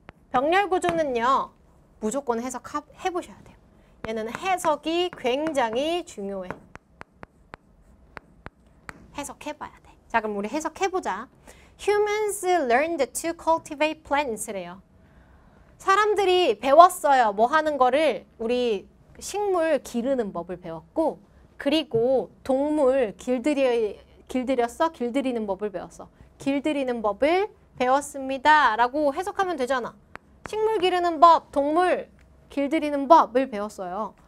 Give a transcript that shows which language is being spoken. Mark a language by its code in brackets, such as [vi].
[ko] 병렬 구조는요, 무조건 해보셔야 돼요. 얘는 해석이 굉장히 중요해. 해석해봐야 돼. 자, 그럼 우리 해석해보자. [en] Humans learned to cultivate plants래요. [ko] 사람들이 배웠어요. 뭐 하는 거를? 우리 식물 기르는 법을 배웠고, 그리고 동물 길들였어? 길들이는 법을 배웠어. 길들이는 법을 배웠습니다. 라고 해석하면 되잖아. 식물 기르는 법, 동물 길들이는 법을 배웠어요.